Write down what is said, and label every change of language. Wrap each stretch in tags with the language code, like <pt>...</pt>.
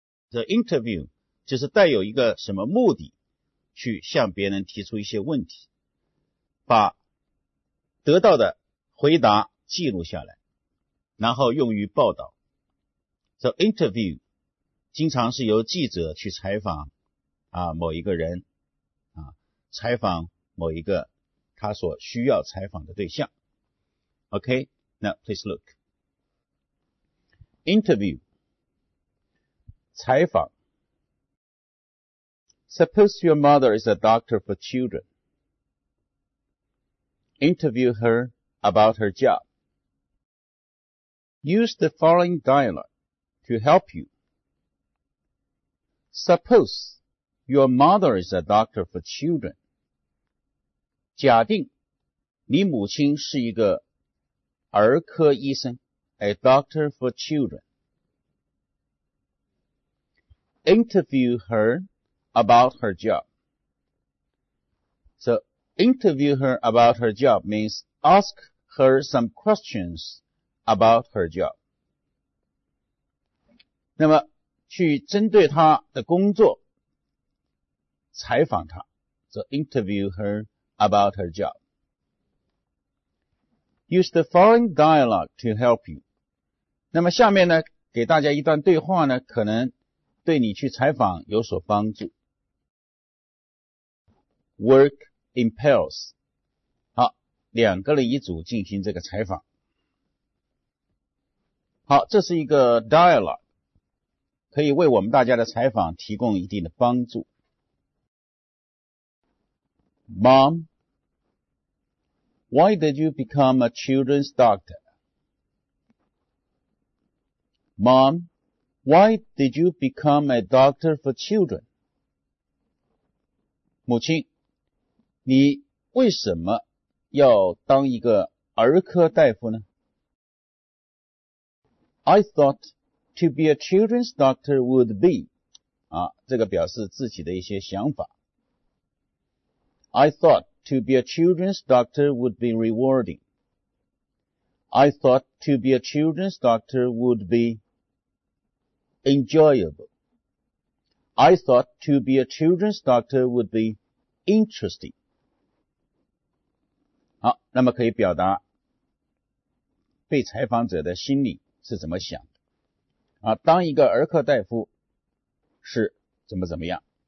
<zh>The interview 就是带有一个什么目的去向别人提出一些问题，把得到的回答记录下来，然后用于报道。 The interview 经常是由记者去采访啊某一个人啊，采访某一个他所需要采访的对象。</zh> <en>OK, now please look.</en> <zh>Interview 采访。</zh> <en>Suppose your mother is a doctor for children. Interview her about her job. Use the following dialogue to help you. Suppose your mother is a doctor for children.</en> <zh>假定你母亲是一个儿科医生，</zh> <en>a doctor for children. Interview her about her job. So interview her about her job means ask her some questions. About her job.</en> <zh>那么去针对她的工作采访她。</zh> <en>So interview her about her job. Use the following dialogue to help you.</en> <zh>那么下面呢给大家一段对话呢可能对你去采访有所帮助。</zh> <en>Work in pairs.</en> <zh>好，两个人一组进行这个采访。好，这是一个 dialogue, 可以为我们大家的采访提供一定的帮助。</zh> <en>Mom, why did you become a children's doctor? Mom, why did you become a doctor for children?</en> <zh>母亲，你为什么要当一个儿科大夫呢？</zh> <en>I thought to be a children's doctor would be,</en> <zh>啊，这个表示自己的一些想法。</zh> <en>I thought to be a children's doctor would be rewarding. I thought to be a children's doctor would be enjoyable. I thought to be a children's doctor would be interesting.</en> <zh>好，那么可以表达被采访者的心理。是怎么想的啊，当一个儿科大夫是怎么样</zh>